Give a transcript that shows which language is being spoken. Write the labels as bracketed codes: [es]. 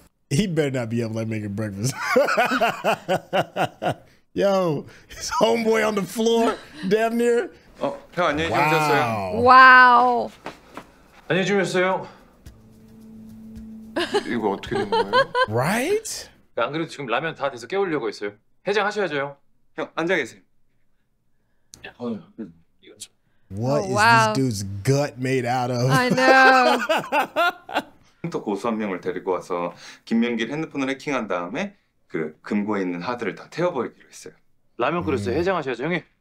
[en] He better not be able to make a breakfast. Yo, his homeboy on the floor, damn near. [ko] Oh, 형 안녕히 주무셨어요. [en] Wow. [ko] 안녕히 주무셨어요. 이거 어떻게 된 거예요? [en] Right? [ko] 안 그래도 지금 라면 다 돼서 깨우려고 했어요. 해장하셔야죠, 형. 형, 앉아 계세요. [en] What is this dude's gut made out of? I know. [ko] 컴퓨터 고수 한 명을 데리고 와서 김명길 핸드폰을 해킹한 다음에 그 금고에 있는 하드를 다 태워버리기로 했어요. 라면 그릇을 해장하셔야죠, 형님.